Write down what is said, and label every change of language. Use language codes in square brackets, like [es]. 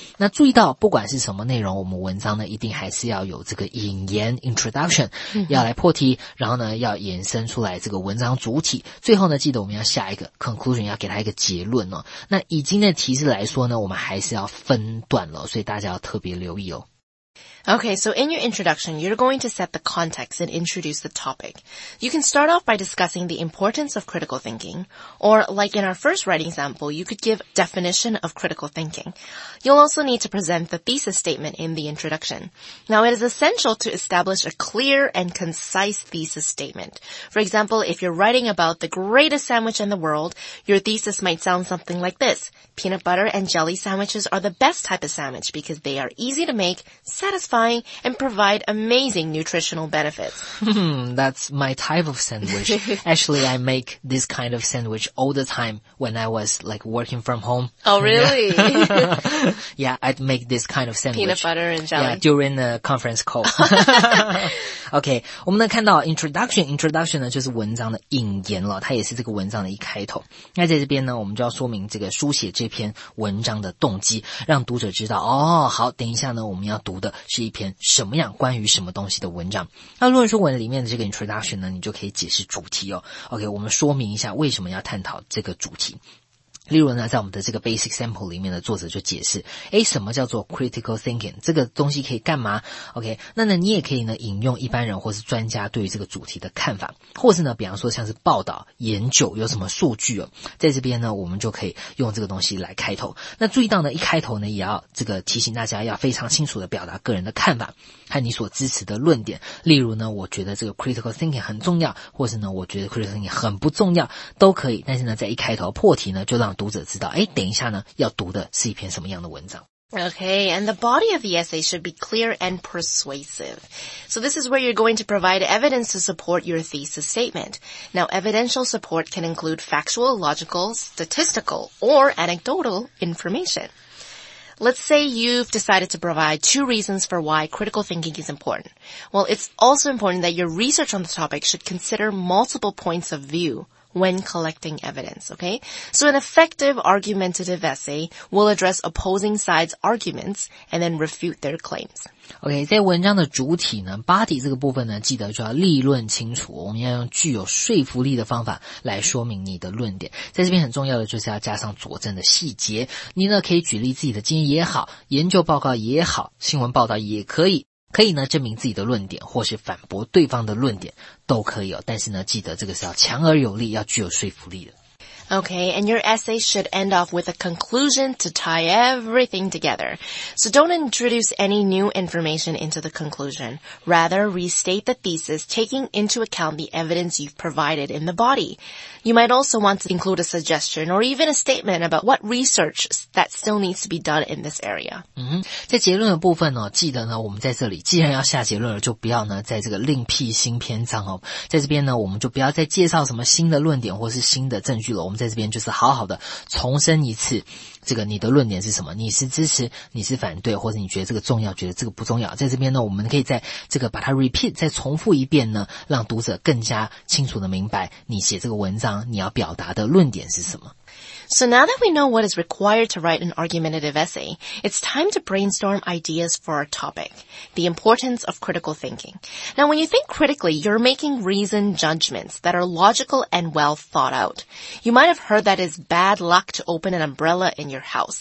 [zh] 那注意到，不管是什么内容，我们文章呢一定还是要有这个引言 introduction， 要来破题，然后呢要延伸出来这个文章主体，最后呢记得我们要下一个 conclusion， 要给它一个结论哦。那以今天的题字来说呢，我们还是要分段了，所以大家要特别留意哦。 [en] Okay, so in your introduction, you're going to set the context and introduce the topic. You can start off by discussing the importance of critical thinking, or like in our first writing sample, you could give definition of critical thinking. You'll also need to present the thesis statement in the introduction. Now, it is essential to establish a clear and concise thesis statement. For example, if you're writing about the greatest sandwich in the world, your thesis might sound something like this. Peanut butter and jelly sandwiches are the best type of sandwich because they are easy to make, satisfying, and provide amazing nutritional benefits. That's my type of sandwich. Actually, I make this kind of sandwich all the time when I was like working from home. Oh, really? Yeah, I'd make this kind of sandwich. Peanut butter and jelly. Yeah, during the conference call. [zh] Okay, 我们呢看到 introduction， introduction 呢就是文章的引言了，它也是这个文章的一开头。那在这边呢，我们就要说明这个书写这篇文章的动机，让读者知道哦，好，等一下呢我们要读的是一篇什么样关于什么东西的文章。那论说文里面的这个 introduction 呢，你就可以解释主题哦。OK， 我们说明一下为什么要探讨这个主题。例如呢，在我们的这个 basic sample 里面的作者就解释，诶，什么叫做 critical thinking， 这个东西可以干嘛 ？OK， 那呢，你也可以呢引用一般人或是专家对于这个主题的看法，或是呢，比方说像是报道、研究有什么数据哦，在这边呢，我们就可以用这个东西来开头。那注意到呢，一开头呢，也要这个提醒大家要非常清楚的表达个人的看法和你所支持的论点。例如呢，我觉得这个 critical thinking 很重要，或是呢，我觉得 critical thinking 很不重要，都可以。但是呢，在一开头破题呢，就让读者知道，诶，等一下呢，要读的是一篇什么样的文章。 [en] Okay, and the body of the essay should be clear and persuasive. So this is where you're going to provide evidence to support your thesis statement. Now, evidential support can include factual, logical, statistical, or anecdotal information. Let's say you've decided to provide two reasons for why critical thinking is important. Well, it's also important that your research on the topic should consider multiple points of view. When collecting evidence, okay? So an effective argumentative essay will address opposing sides' arguments and then refute their claims. Okay, 在文章的主体呢 ,body 这个部分呢记得就要立论清楚，我们要用具有说服力的方法来说明你的论点。在这边很重要的就是要加上佐证的细节，你呢可以举例自己的经验也好，研究报告也好，新闻报道也可以。可以呢证明自己的论点或是反驳对方的论点都可以哦，但是呢记得这个是要强而有力，要具有说服力的。 Okay, and your essay should end off with a conclusion to tie everything together. So don't introduce any new information into the conclusion. Rather, restate the thesis, taking into account the evidence you've provided in the body. You might also want to include a suggestion or even a statement about what research that still needs to be done in this area. [zh] 在结论的部分呢，记得呢，我们在这里既然要下结论了，就不要呢在这个另辟新篇章哦。在这边呢，我们就不要再介绍什么新的论点或是新的证据了。我们在这边就是好好的重申一次这个你的论点是什么，你是支持你是反对，或者你觉得这个重要觉得这个不重要。在这边呢我们可以再这个把它 repeat 再重复一遍呢，让读者更加清楚的明白你写这个文章你要表达的论点是什么。 [en] So now that we know what is required to write an argumentative essay, it's time to brainstorm ideas for our topic, the importance of critical thinking. Now, when you think critically, you're making reasoned judgments that are logical and well thought out. You might have heard that it's bad luck to open an umbrella in your house.